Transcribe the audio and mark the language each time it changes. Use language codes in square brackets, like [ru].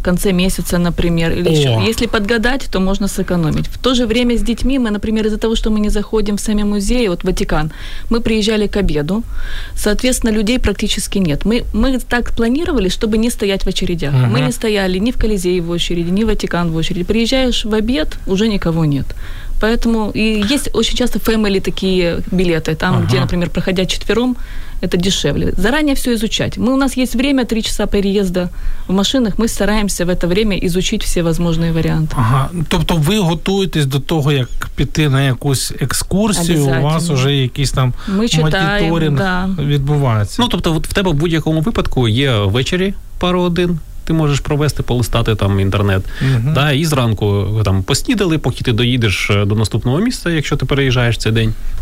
[uk] В кінці місяця, наприклад. Или ще. Якщо підгадати, то можна зекономити. В то же время з дітьми, ми, наприклад, із-за того, що ми не заходимо в самі музеї, от Ватикан, ми приїжджали к обіду, соответственно, людей практично нет. Ми так планували, щоб не стояти в очередях. Ми не стояли ні в Колізеї в очереди, ні в Ватикан в очереди. Приїжджаєш в обід, уже нікого нет. [ru] Поэтому и есть очень часто фэмили такие билеты, там, ага, где, например, проходя четвером, это дешевле. Заранее все изучать. У нас есть время, 3 часа переезда в машинах, мы стараемся в это время изучить все возможные варианты. Ага. [uk] Тобто ви готуєтесь до того, як піти на якусь екскурсію, у вас уже якийсь там моніторинг, да, відбувається. Ну, тобто в тебе в будь-якому випадку є ввечері пару один, ти можеш провести, полистати там інтернет. Угу. Да, і зранку там поснідали, поки ти доїдеш до наступного місця, якщо ти переїжджаєш цей день.